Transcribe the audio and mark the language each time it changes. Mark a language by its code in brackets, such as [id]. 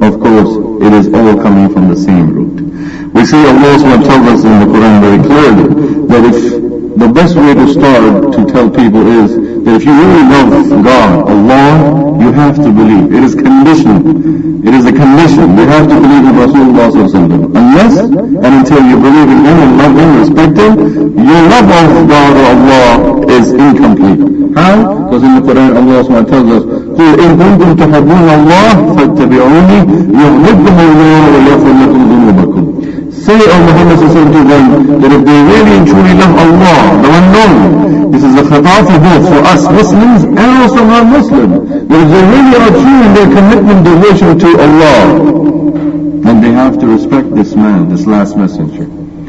[en] Of course, it is all coming from the same root. We see Allah SWT tells us in the Quran very clearly that if the best way to start to tell people is that if you really love God, Allah, you have to believe. It is conditioned. It is a condition. You have to believe in Rasulullah. Unless and until you believe in Him and love Him, respect Him, your love of God or Allah is incomplete. How? Because in the Quran, Allah SWT tells us, [ar] قُلْ إِنْ كُنْتُمْ تُحِبُّونَ اللَّهَ فَاتَّبِعُونِي يُغْفِرْ لَكُمْ وَيَغْفِرْ لَكُمْ ذُنُوبَكُمْ. [en] Say, O Muhammad SAW to them, that if they really and truly love Allah, the unknown, this is a khitab both for us Muslims and also non-Muslims, that if they really are true in their commitment, devotion to Allah, then they have to respect this man, this last messenger.